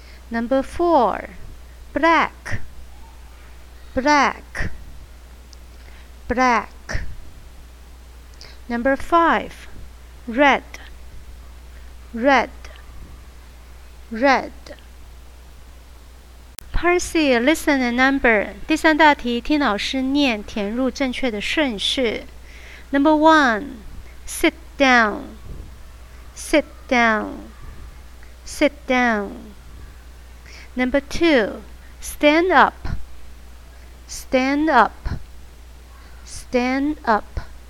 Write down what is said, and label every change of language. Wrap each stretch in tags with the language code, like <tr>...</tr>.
<en>Number 4, black, black, black. Number 5, red, red. Red. Part C, listen and number.</en> <zh>第三大题，听老师念，填入正确的顺序。</zh> <en>Number 1, sit down, sit down, sit down. Number 2, stand up, stand up, stand up.</en>